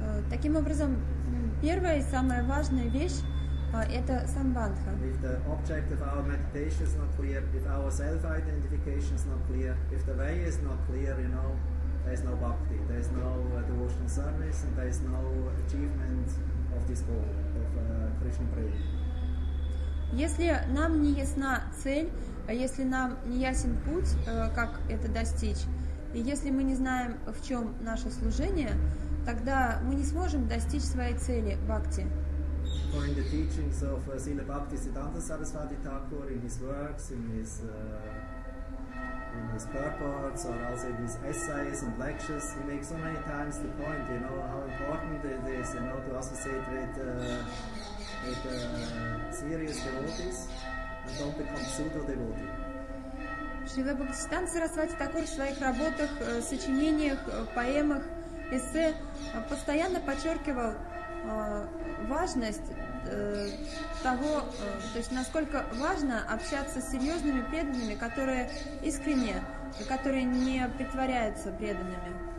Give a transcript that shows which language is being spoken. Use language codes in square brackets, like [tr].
[ru] Таким образом, первая и самая важная вещь – это самбандха. [en] If the object of our meditation is not clear, if our self-identification is not clear, if the way is not clear, you know, there is no bhakti, there is no devotional service, and there is no achievement of this goal of Krishna prayer. [ru] Если нам не ясна цель, если нам не ясен путь, как это достичь, и если мы не знаем, в чем наше служение, тогда мы не сможем достичь своей цели – бхакти. [en] According to the teachings of Srila Bhaktisiddhanta Sarasvati Thakur, in his works, in his purports, or also in his essays and lectures, he makes so many times the point, you know, how important it is, you know, to associate with serious devotees and don't become pseudo-devotees. [ru] Шрила Бхактисиддханта Сарасвати Такур в своих работах, сочинениях, поэмах, эссе постоянно подчеркивал важность того, то есть насколько важно общаться с серьезными преданными, которые искренне, которые не притворяются преданными.